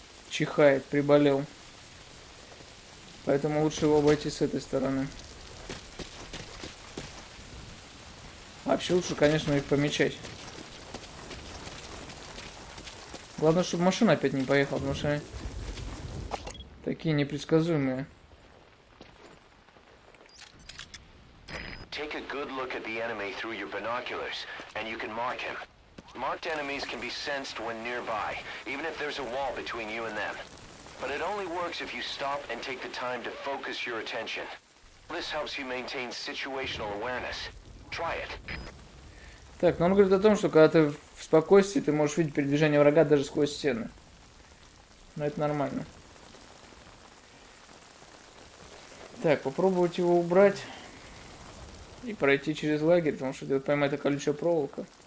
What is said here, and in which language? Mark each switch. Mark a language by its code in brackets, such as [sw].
[ru] чихает, приболел. Поэтому лучше его обойти с этой стороны. Вообще лучше, конечно, их помечать. Главное, чтобы машина опять не поехала, потому что они такие непредсказуемые. [en] Take a good look at the enemy through your binoculars, and you can mark him. Marked enemies can be sensed when nearby, even if there's a wall between you and them. But it only works if you stop and take the time to focus your attention. This helps you maintain situational awareness. Try it. [ru] Так, ну он говорит о том, что когда ты в спокойствии, ты можешь видеть передвижение врага даже сквозь стены. Но это нормально. Так, попробовать его убрать. И пройти через лагерь, потому что где-то поймает колючая проволока.